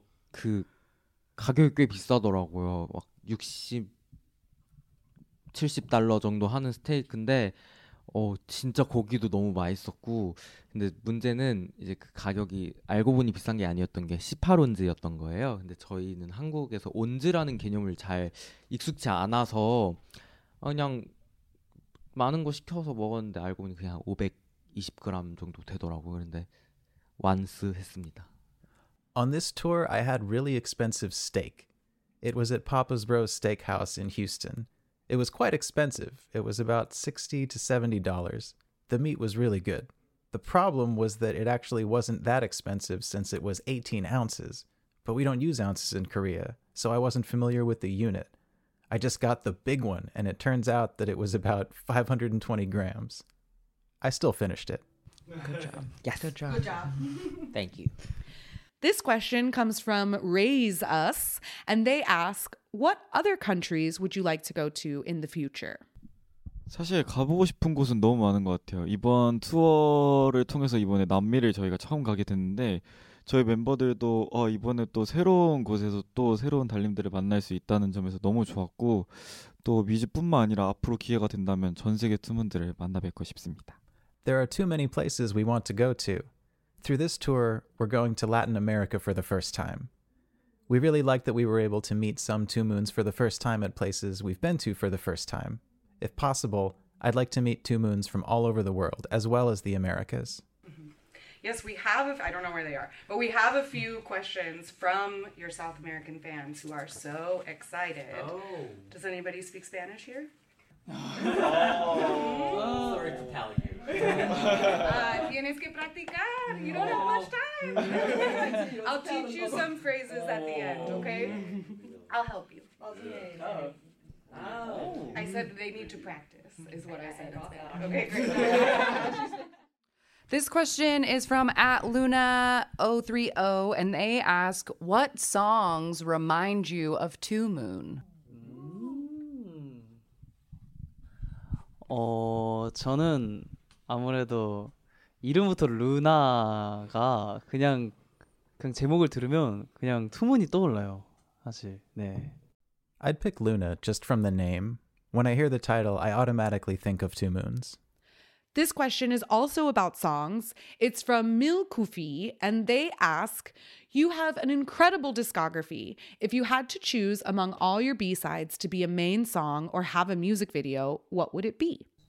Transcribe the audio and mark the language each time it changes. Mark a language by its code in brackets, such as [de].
[ko] 그 가격이 꽤 비싸더라고요. 막 60, 70달러 정도 하는 스테이크인데 진짜 고기도 너무 맛있었고 근데 문제는 이제 그 가격이 알고 보니 비싼 게 아니었던 게 18온즈였던 거예요. 근데 저희는 한국에서 온즈라는 개념을 잘 익숙치 않아서 그냥 많은 거 시켜서 먹었는데 알고 보니 그냥 520g 정도 되더라고요. 그런데 완스 했습니다. [en] On this tour, I had really expensive steak. It was at Papa's Bros Steakhouse in Houston. It was quite expensive. It was about $60 to $70. The meat was really good. The problem was that it actually wasn't that expensive since it was 18 ounces. But we don't use ounces in Korea, so I wasn't familiar with the unit. I just got the big one, and it turns out that it was about 520 grams. I still finished it. Good job. Yes. Good job. Good job. Thank you. This question comes from Raise Us, and they ask, what other countries would you like to go to in the future? [ko] 사실 가보고 싶은 곳은 너무 많은 것 같아요. 이번 투어를 통해서 이번에 남미를 저희가 처음 가게 됐는데 저희 멤버들도 이번에 또 새로운 곳에서 또 새로운 달님들을 만날 수 있다는 점에서 너무 좋았고 또 뮤즈뿐만 아니라 앞으로 기회가 된다면 전 세계 투문들을 만나 뵙고 싶습니다. [en] There are too many places we want to go to. Through this tour, we're going to Latin America for the first time. We really like that we were able to meet some Two Moons for the first time at places we've been to for the first time. If possible, I'd like to meet Two Moons from all over the world, as well as the Americas. Mm-hmm. Yes, we have, I don't know where they are, but we have a few questions from your South American fans who are so excited. Oh. Does anybody speak Spanish here? Sorry to tell you. [es] Tienes que practicar. [en] You don't have much time. I'll teach you some phrases at the end, okay? I'll help you. Okay. I said they need to practice, is what I said. Okay, great. This question is from @Luna030, and they ask, what songs remind you of Two Moon? [ko] 저는 아무래도 이름부터 루나가 그냥 제목을 들으면 그냥 투문이 떠올라요. 사실. 네. [en] I'd pick Luna just from the name. When I hear the title, I automatically think of Two Moons. This question is also about songs. It's from Milkufi, and they ask, you have an incredible discography. If you had to choose among all your B-sides to be a main song or have a music video, what would it be?